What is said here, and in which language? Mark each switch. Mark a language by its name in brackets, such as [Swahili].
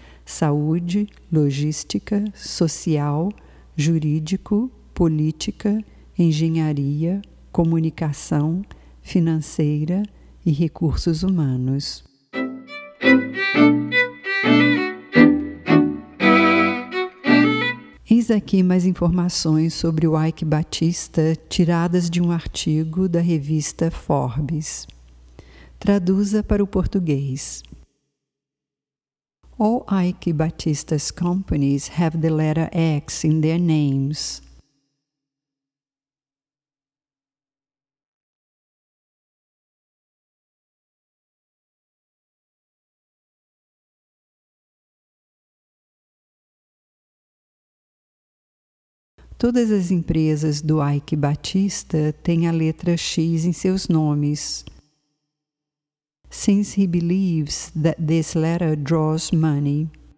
[Portuguese] saúde, logística, social, jurídico, política, engenharia, comunicação, financeira e recursos humanos. Eis aqui mais informações sobre o Ike Batista, tiradas de um artigo da revista Forbes. Traduza para o português. [English] All Ike Batista's companies have the letter X in their names. [Portuguese] Todas as empresas do Ike Batista têm a letra X em seus nomes. [English] Since he believes that this letter draws money.